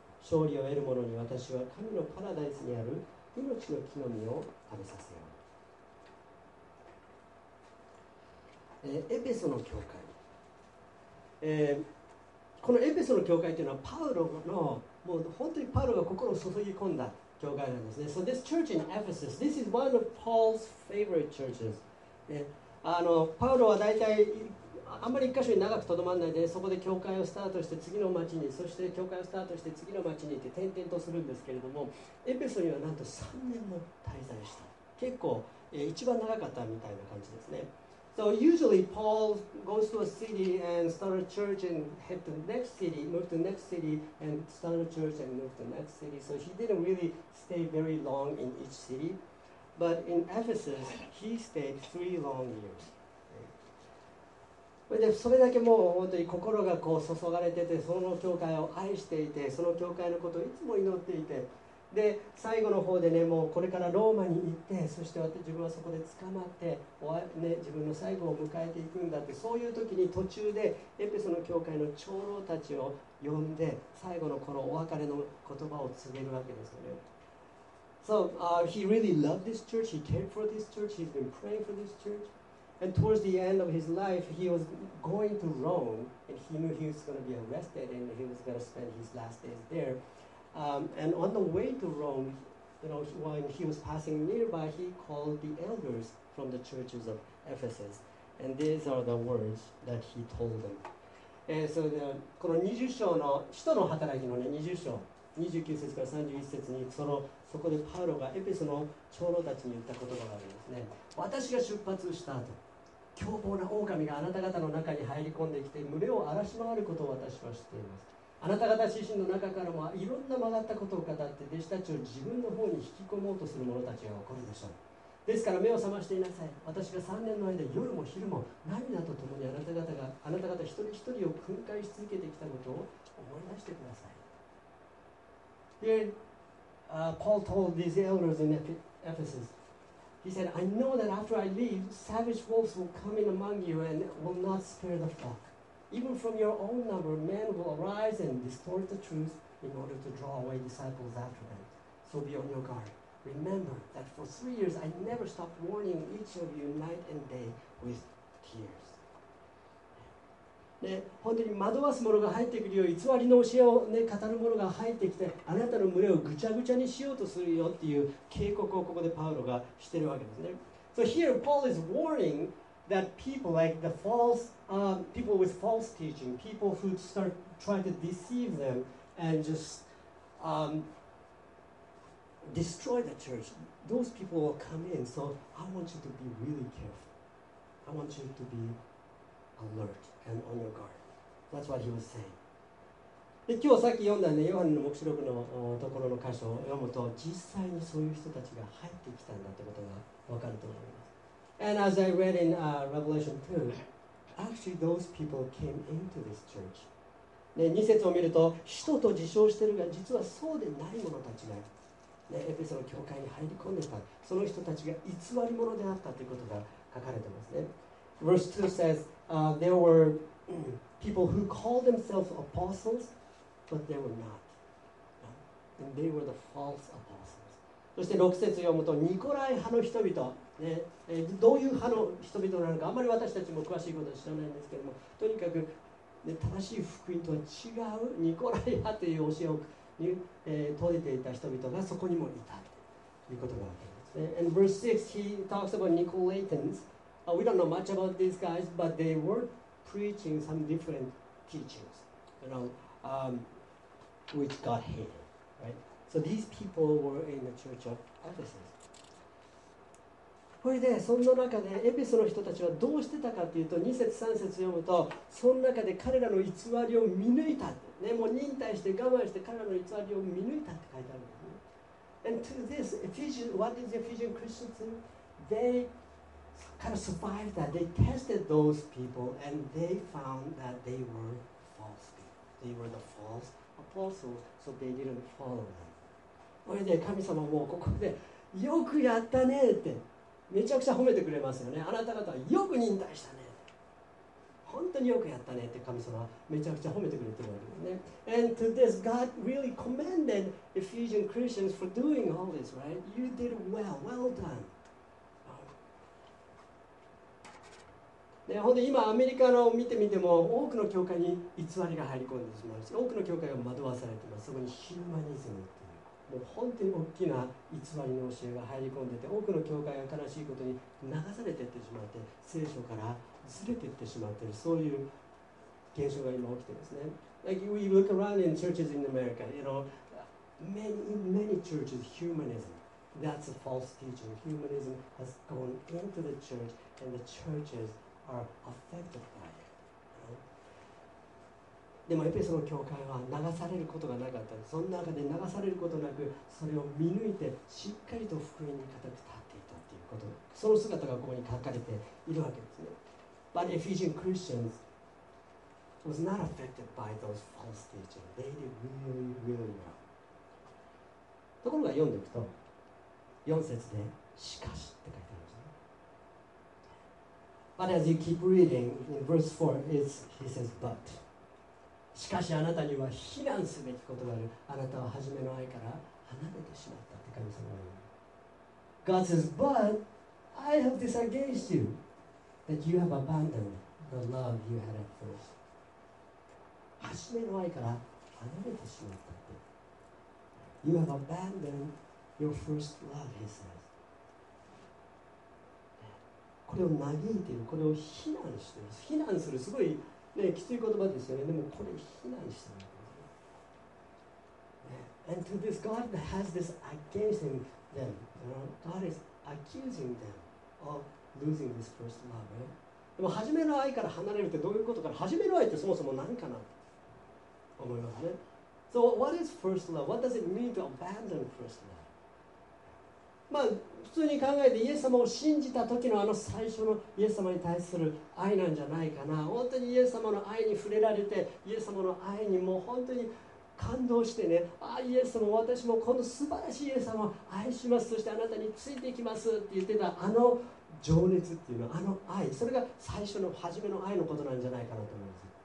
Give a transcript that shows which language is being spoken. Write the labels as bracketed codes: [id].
[ja] 勝利を得る者に私は神のパラダイスにある命の木の実を食べさせよう。エペソの教会。このエペソの教会というのはパウロのもう本当にパウロが心を注ぎ込んだ教会なんですね。 [en] So this church in Ephesus, this is one of Paul's favorite churches. [ja] パウロは大体あんまり一箇所に長くとどまらないで、そこで教会をスタートして次の町に、そして教会をスタートして次の町にって転々とするんですけれども、エペソにはなんと3年も滞在した。結構、一番長かったみたいな感じですね。 [en] So usually Paul goes to a city and starts a church and head to the next city, move to the next city and start a church and move to the next city. So he didn't really stay very long in each city. But in Ephesus, he stayed three long years. [ja] でそれだけもう本当に心がこう注がれててその教会を愛していてその教会のことをいつも祈っていてで最後の方でねもうこれからローマに行ってそして自分はそこで捕まって終わ、ね、自分の最後を迎えていくんだってそういう時に途中でエペソの教会の長老たちを呼んで最後のこのお別れの言葉を告げるわけですよね。 [en] So, he really loved this church. He cared for this church. He's been praying for this church. And towards the end of his life, he was going to Rome, and he knew he was going to be arrested, and he was going to spend his last days there. And on the way to Rome, you know, when he was passing nearby, he called the elders from the churches of Ephesus. And these are the words that he told them. [ja] So, この20章の、使徒の働きのね、20章、29節から31節に、その、そこでパウロがエペソの長老たちに言った言葉があるんですね。私が出発した後、凶暴な狼があなた方の中に入り込んできて群れを荒らし回ることを私は知っています。あなた方自身の中からもいろんな曲がったことを語って弟子たちを自分の方に引き込もうとする者たちが起こるでしょう。ですから目を覚ましていなさい。私が3年の間夜も昼も涙とともにあなた方一人一人を訓戒し続けてきたことを思い出してください。 [en] で、Paul told these elders in Ephesus, he said, I know that after I leave, savage wolves will come in among you and will not spare the flock. Even from your own number, men will arise and distort the truth in order to draw away disciples after them. So be on your guard. Remember that for 3 years I never stopped warning each of you night and day with tears. [ja] ね、本当に惑わす者が入ってくるよ、偽りの教えを、ね、語る者が入ってきてあなたの群れをぐちゃぐちゃにしようとするよっていう警告をここでパウロがしてるわけですね。 [en] So here Paul is warning that people like the false、people with false teaching, people who start trying to deceive them and just、destroy the church, those people will come in. So I want you to be really careful. I want you to beAlert and on your guard. That's what he was saying. [ja] で今日さっき読んだねヨハネの黙示録のところの箇所を読むと実際にそういう人たちが入ってきたんだってことがわかると思います。 [en] And as I read in Revelation 2, actually those people came into this church. [ja] で2節を見ると使徒と自称してるが実はそうでない者たちが、ね、エペソの教会に入り込んでたその人たちが偽り者であったということが書かれてますね。 [en] Verse 2 says,there were people who called themselves apostles, but they were not. And they were the false apostles. [ja] そして6節読むと、ニコライ派の人々、ね、どういう派の人々なのか、あまり私たちも詳しいことは知らないんですけども、とにかく、ね、正しい福音とは違うニコライ派という教えを、説いていた人々がそこにもいたということがあります。 [en] And verse 6, he talks about Nicolaitans. We don't know much about these guys, but they were preaching some different teachings, you know, which got hated, right? So these people were in the church of Ephesus. [ja] それで、その中で、エペソの人たちはどうしてたかというと、2節3節読むと、その中で彼らの偽りを見抜いた。ね、もう忍耐して我慢して彼らの偽りを見抜いたって書いてある。 [en] And to this, Ephesians, what did the Ephesian Christians do? They... kind of survived that. They tested those people and they found that they were false people. They were the false apostles, so they didn't follow them. [ja] それで神様もここでよくやったねってめちゃくちゃ褒めてくれますよね。あなた方はよく忍耐したね。本当によくやったねって神様はめちゃくちゃ褒めてくれてるわけですね。 [en] And to this, God really commended Ephesian Christians for doing all this, right? You did well. Well done. [ja] ね、本当に今アメリカのを見てみても多くの教会に偽りが入り込んでしまうし多くの教会が惑わされています。そこにヒューマニズムっていうもう本当に大きな偽りの教えが入り込んでて多くの教会が悲しいことに流されていってしまって聖書からずれていってしまっているそういう現象が今起きてますね。 [en] Like we look around in churches in America, you know, many churches, humanism, that's a false teaching. Humanism has gone into the church and the churchesare affected by it, you know? [ja] でもエペソの教会は流されることがなかった。その中で流されることなく、それを見抜いてしっかりと福音に固く立っていた。こと、その姿がここに書かれているわけですね。 [en] But Ephesian Christians was not affected by those false teachings. They did really, really well. [ja] ところが読んでいくと、4節でしかしって書いてあるんですね。 [en] But as you keep reading in verse 4, it's, he says, but. [ja] しかしあなたには非難すべきことがある。あなたは初めの愛から離れてしまったって神様が言う。 [en] God says, but I have this against you that you have abandoned the love you had at first. [ja] 初めの愛から離れてしまったって。 [en] You have abandoned your first love, he says. [ja] これを嘆いている、これを非難している。非難する、すごいね、きつい言葉ですよね。でもこれ非難してる、ね。 [en] And to this God has this against him, then, you know, God is accusing them of losing this first love.、Right? [ja] でも初めの愛から離れるってどういうことか。初めの愛ってそもそも何かなと思いますね。 [en] So what is first love? What does it mean to abandon first love? [ja] まあ普通に考えてイエス様を信じた時のあの最初のイエス様に対する愛なんじゃないかな。本当にイエス様の愛に触れられて、イエス様の愛にもう本当に感動してね、ああイエス様、私もこの素晴らしいイエス様を愛します、そしてあなたについていきますって言ってたあの情熱っていうの、あの愛、それが最初の初めの愛のことなんじゃないかなと思います。